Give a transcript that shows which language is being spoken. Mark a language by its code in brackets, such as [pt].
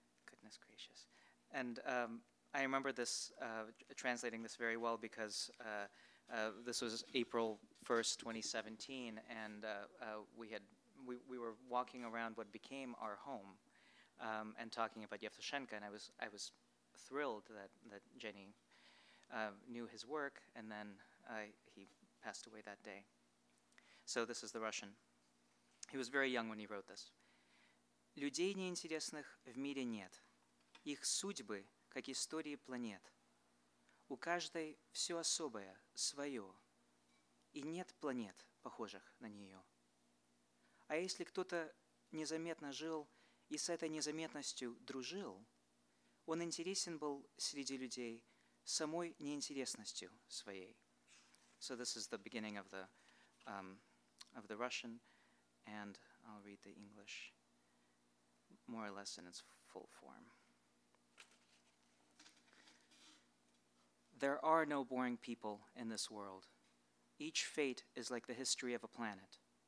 [en] Goodness gracious. And I remember this, translating this very well, because this was April 1st, 2017, and we were walking around what became our home, and talking about Yevtushenko, and I was thrilled that Jenny knew his work, and then he passed away that day. So this is the Russian. He was very young when he wrote this. [ru] Людей неинтересных в мире нет. Их судьбы, как истории планет. У каждой все особое, свое. И нет планет, похожих на нее. А если кто-то незаметно жил и с этой незаметностью дружил, он интересен был среди людей самой неинтересностью своей. [en] So this is the beginning of the Russian, and I'll read the English more or less in its full form. There are no boring people in this world. Each fate is like the history of a planet.